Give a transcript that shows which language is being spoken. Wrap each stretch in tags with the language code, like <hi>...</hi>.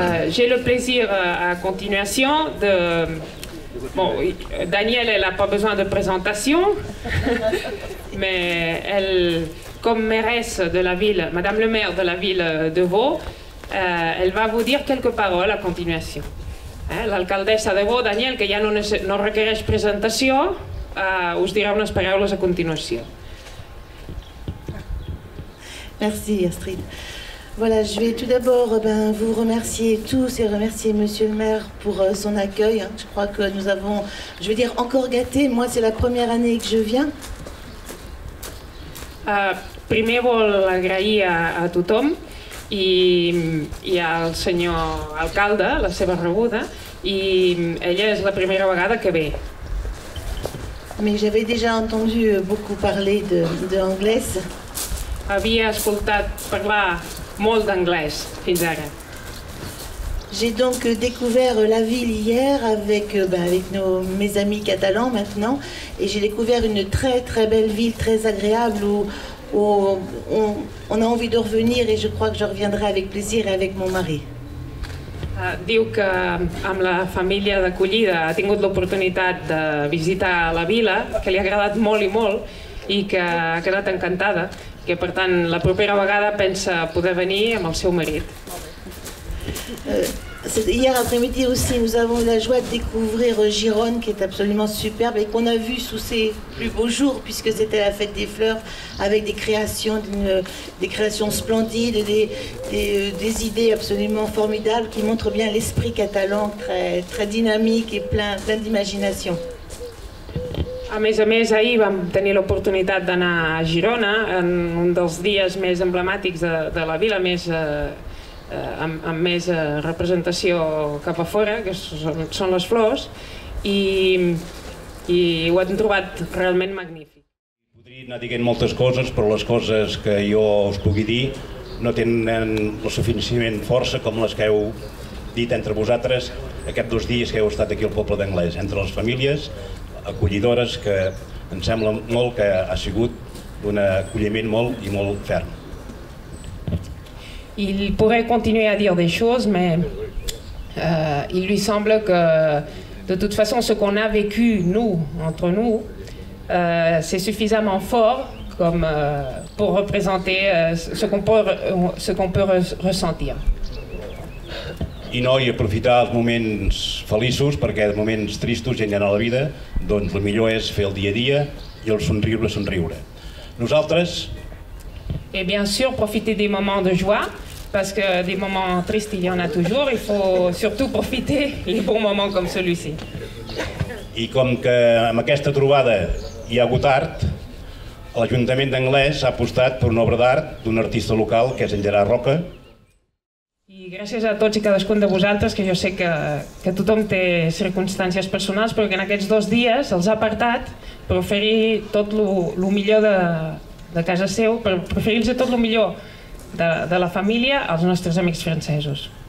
<fr>J'ai le plaisir à continuation de... Bon, Danielle, elle n'a pas besoin de présentation, mais elle, comme mairesse de la ville, Madame le maire de la ville de Vaud, elle va vous dire quelques paroles à continuation.</fr> <ca>Hein, l'alcaldessa de Vaud, Danielle, que ja no requereix presentació, us dirà unes paraules a continuació.</ca> <fr>Merci, Astrid. Voilà, je vais tout d'abord vous remercier tous et remercier Monsieur le maire pour son accueil. Hein. Je crois que nous avons, je veux dire, encore gâté. Moi, c'est la première année que je viens.</fr> <ca>Primer vol agrair a tothom i al senyor alcalde, la seva rebuda, i ella és la primera vegada que ve.</ca> <fr>Mais j'avais déjà entendu beaucoup parler de anglais.</fr> <ca>Havia escoltat parlar molt d'anglès fins ara.</ca> <fr>J'ai donc découvert la ville hier avec avec mes amis catalans maintenant et j'ai découvert une très très belle ville très agréable où on a envie de revenir et je crois que je reviendrai avec plaisir et avec mon mari.</fr> <ca>Diu que amb la família d'acollida ha tingut l'oportunitat de visitar la vila, que li ha agradat molt i molt i que ha quedat encantada. Que per tant la propera vegada pensa poder venir amb el seu marit.</ca> <fr>Hier après-midi aussi nous avons eu la joie de découvrir Gironde qui est absolument superbe et qu'on a vu sous ses plus beaux jours puisque c'était la fête des fleurs avec des créations splendides et des idées absolument formidables qui montrent bien l'esprit catalan très très dynamique et plein d'imagination.</fr> <ca>A més, ahir vam tenir l'oportunitat d'anar a Girona, en un dels dies més emblemàtics de la vila, amb més representació cap a fora, que són les flors, i ho hem trobat realment magnífic. Podria anar dient moltes coses, però les coses que jo us pugui dir no tenen el suficient força com les que heu dit entre vosaltres aquests dos dies que heu estat aquí al poble d'Anglès, entre les famílies, acollidores, que em sembla molt que ha sigut d'un acolliment molt i molt ferm.</ca> <fr>Il pourrait continuer à dire des choses, mais il lui semble que de toute façon ce qu'on a vécu nous entre nous c'est suffisamment fort comme pour représenter ce qu'on peut ressentir.</fr> <ca>I no, i aprofitar els moments feliços, perquè de moments tristos ja n'hi ha a la vida, doncs el millor és fer el dia a dia i el somriure, somriure. Nosaltres...</ca> <fr>Et bien sûr, profiter des moments de joie, parce que des moments tristes, il y en a toujours, il faut surtout profiter les bons moments comme celui-ci.</fr> <ca>I com que amb aquesta trobada hi ha hagut art, l'Ajuntament d'Anglès ha apostat per una obra d'art d'un artista local, que és en Gerard Roca. I gràcies a tots i cadascun de vosaltres, que jo sé que tothom té circumstàncies personals, però que en aquests dos dies els ha apartat per oferir tot el millor de casa seu, per oferir-los tot el millor de la família als nostres amics francesos.</ca>